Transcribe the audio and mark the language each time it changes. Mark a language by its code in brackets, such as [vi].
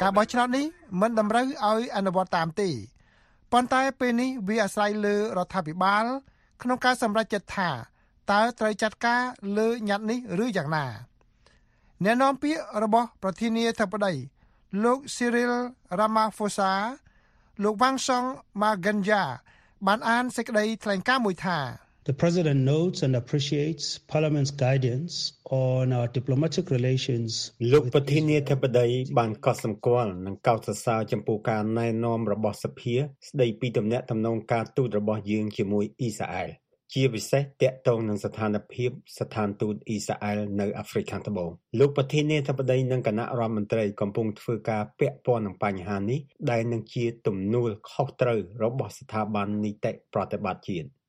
[km] ការបោះឆ្នោតនេះមិនតម្រូវឲ្យអនុវត្តតាមទេប៉ុន្តែពេលនេះវាអាស្រ័យលើរដ្ឋាភិបាលក្នុងការសម្រេចចិត្តថាតើត្រូវຈັດការលើញត្តិនេះឬយ៉ាងណាអ្នកនាំពាក្យរបស់ប្រធានាធិបតីលោក Cyril Ramaphosa លោក Wang Song Maganja បានអានសេចក្តីថ្លែងការណ៍មួយថា [en] The president notes and appreciates parliament's guidance on our diplomatic relations [km] លោកប្រធានាធិបតីបានកត់សម្គាល់និងកោតសរសើរចំពោះការណែនាំរបស់សភាស្ដីពីដំណាក់ដំណងការទូតរបស់យើងជាមួយអ៊ីសរ៉ាអែលជាពិសេសតកតងនឹងស្ថានភាពស្ថានទូតអ៊ីសរ៉ាអែលនៅអាហ្វ្រិកខាងត្បូងលោកប្រធានាធិបតីនិងគណៈរដ្ឋមន្ត្រីកំពុងធ្វើការពាក់ព័ន្ធនឹងបញ្ហានេះដែលនឹងជាទំនួលខុសត្រូវរបស់ស្ថាប័ននីតិប្រតិបត្តិជាតិ